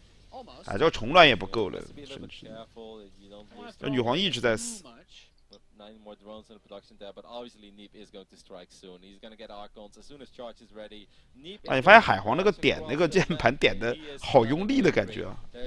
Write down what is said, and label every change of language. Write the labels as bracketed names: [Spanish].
[Chinese] 啊，这个虫卵也不够了，甚至这女皇一直在死。 [English] Nine more drones in the production there, but obviously Nib is going to strike soon. He's going to get Archons as soon as charge is ready. Nib. [Chinese] 哎，你发现海皇那个点那个键盘点的好用力的感觉啊？